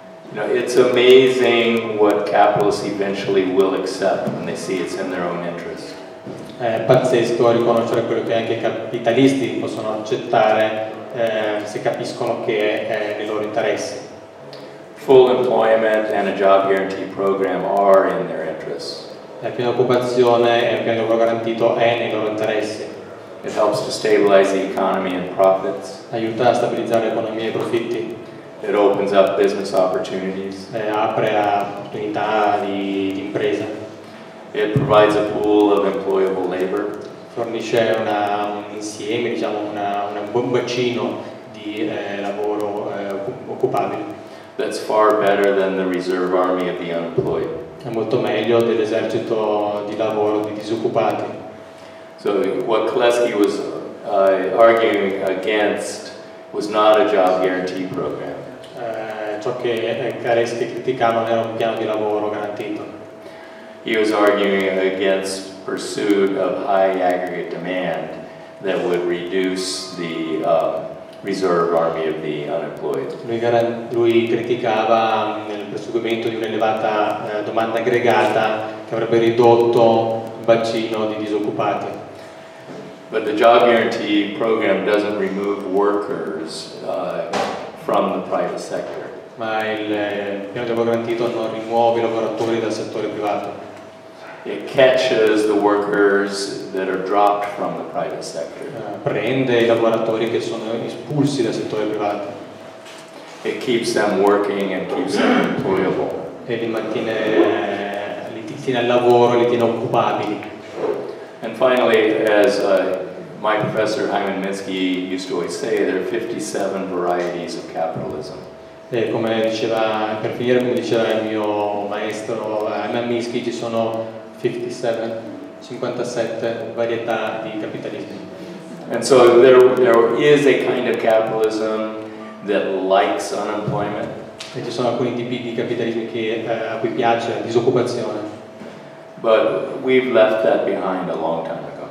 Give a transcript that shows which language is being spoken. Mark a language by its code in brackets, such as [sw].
[en] You know, it's amazing what capitalists eventually will accept when they see it's in their own interest. [it] È pazzesco riconoscere quello che anche i capitalisti possono accettare se capiscono che è nei loro interessi. [en] Full employment and a job guarantee program are in their interest. [it] La piena occupazione e il piano di lavoro garantito è nei loro interessi. [en] It helps to stabilize the economy and profits. [it] Aiuta a stabilizzare l'economia e i profitti. [en] It opens up business opportunities. [it] Apre a opportunità di impresa. [en] It provides a pool of employable labor. [it] Fornisce un insieme, diciamo, un buon bacino di lavoro occupabile. [en] That's far better than the reserve army of the unemployed. [it] È molto meglio dell'esercito di lavoro di disoccupati. [en] So what Kolesky was arguing against was not a job guarantee program. [it] Ciò che Kolesky criticava non era un piano di lavoro garantito. [en] He was arguing against pursuit of high aggregate demand that would reduce the reserve army of the unemployed. [it] Lui criticava il perseguimento di un'elevata domanda aggregata che avrebbe ridotto il bacino di disoccupati. [en] But the job guarantee program doesn't remove workers from the private sector. [it] Ma il piano di lavoro garantito non rimuove i lavoratori dal settore privato. [en] It catches the workers that are dropped from the private sector. [it] Prende i lavoratori che sono espulsi dal settore privato. [en] It keeps them working and keeps them employable. [it] E li tiene al lavoro, li tiene occupabili. [en] And finally, as my professor Hyman Minsky used to always say, there are 57 varieties of capitalism. [it] E come diceva, per finire, come diceva il mio maestro Hyman Minsky, ci sono 57 varietà di capitalismo. [en] And so there is a kind of capitalism that likes unemployment. [it] E ci sono alcuni tipi di capitalismo che a cui piace la disoccupazione. [en] But we've left that behind a long time ago.